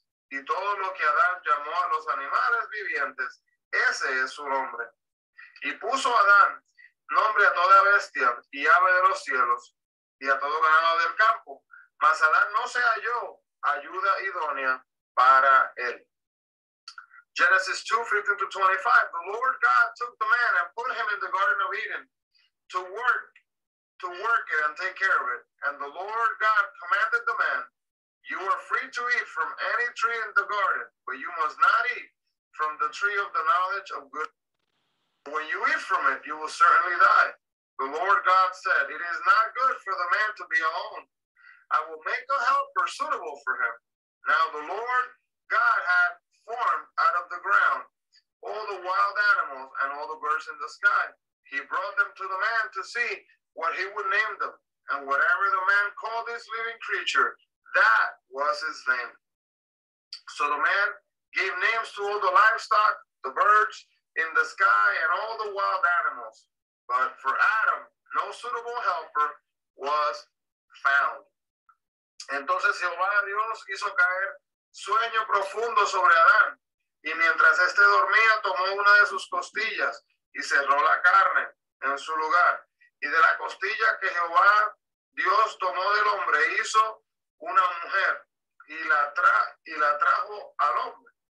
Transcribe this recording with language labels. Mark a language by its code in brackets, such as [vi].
[es] Y todo lo que Adán llamó a los animales vivientes, ese es su nombre. Y puso Adán nombre a toda bestia y ave de los cielos y a todo ganado del campo, mas Adán no se halló ayuda idónea para él. [en] Genesis 2:15-25. The Lord God took the man and put him in the Garden of Eden to work it and take care of it. And the Lord God commanded the man, you are free to eat from any tree in the garden, but you must not eat from the tree of the knowledge of good. When you eat from it, you will certainly die. The Lord God said, it is not good for the man to be alone. I will make a helper suitable for him. Now the Lord God had formed out of the ground all the wild animals and all the birds in the sky. He brought them to the man to see what he would name them. And whatever the man called this living creature, that was his name. So the man Give names to all the livestock, the birds in the sky, and all the wild animals. But for Adam, no suitable helper was found. [es] Entonces Jehová Dios hizo caer sueño profundo sobre Adán, y mientras éste dormía, tomó una de sus costillas y cerró la carne en su lugar. Y de la costilla que Jehová Dios tomó del hombre, hizo una mujer y la trajo al hombre.